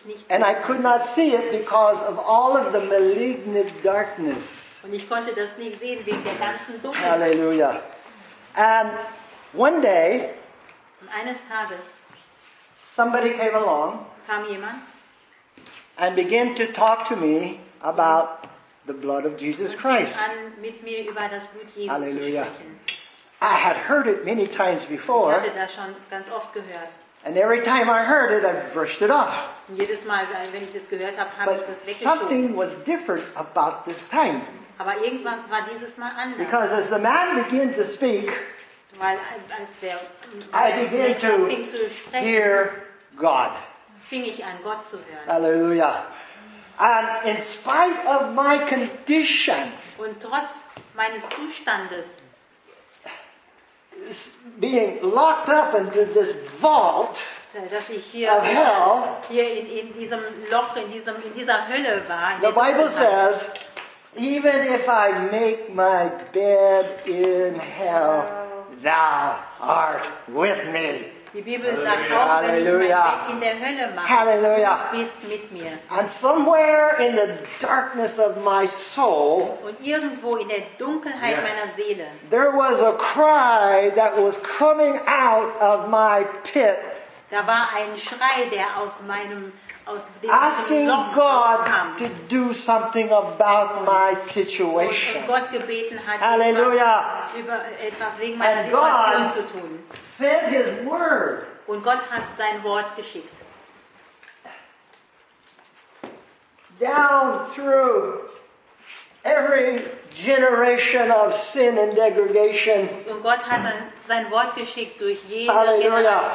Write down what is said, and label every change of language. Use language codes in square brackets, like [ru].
[en] And I could not see it because of all of the malignant darkness. [de] Und ich konnte das nicht sehen wegen der ganzen Dunkelheit. [en] Halleluja. And one day, [de] und eines Tages, [en] somebody came along, [de] kam jemand, [en] and began to talk to me about the blood of Jesus Christ. [de] Und mit mir über das Blut Jesu. Halleluja. [en] I had heard it many times before. [de] Ich hatte das schon ganz oft gehört. [en] And every time I heard it, I brushed it off. [de] Jedes Mal, wenn ich das gehört habe, habe [en] but [de] ich das weggeschoben. [en] Something was different about this time. [de] Aber irgendwas war dieses Mal anders. [en] Because as the man began to speak, I began to hear God. [de] Fing ich an, Gott zu hören. [en] Hallelujah. And in spite of my condition, [de] und trotz meines Zustandes, [en] being locked up into this vault, [de] dass ich hier [en] of hell, [de] hier in diesem Loch, in dieser Hölle war, [en] the Bible says, even if I make my bed in hell, thou art with me. [de] Die Bibel sagt auch, Hallelujah. Wenn ich mein Bett in der Hölle mache, [en] Hallelujah. [de] Bist mit mir. [en] And somewhere in the darkness of my soul, [de] und irgendwo in der Dunkelheit yeah. meiner Seele, [en] there was a cry that was coming out of my pit, [de] da war ein Schrei, der aus meinem [en] asking [de] Loch [en] God to do something about my situation. Hallelujah. And God [de] zu tun. [en] Sent his word. [de] Und Gott hat sein Wort geschickt. [en] Down through every generation of sin and degradation. [de] Und Gott hat sein Wort geschickt durch jede Hallelujah.